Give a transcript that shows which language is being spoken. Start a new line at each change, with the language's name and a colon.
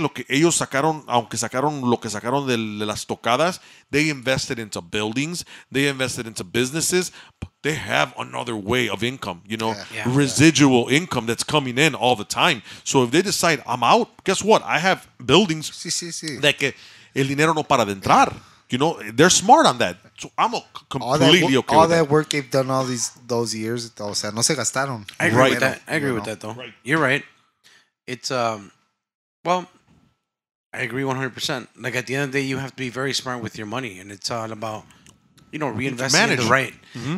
Spanish: Lo que ellos sacaron, aunque sacaron lo que sacaron de las tocadas,
English: they invested into buildings, they invested into businesses. They have another way of income, you know, residual income that's coming in all the time. So if they decide I'm out, guess what? I have buildings.
Spanish: Sí. De que el dinero no para de entrar.
English: Yeah. You know, they're smart on that. So I'm completely okay with that. All that work they've done all those years,
Spanish: o sea, no se gastaron.
English: I agree with that, though. Right. You're right. It's, well, I agree 100%. Like, at the end of the day, you have to be very smart with your money. And it's all about, you know, reinvesting in the right. Mm-hmm.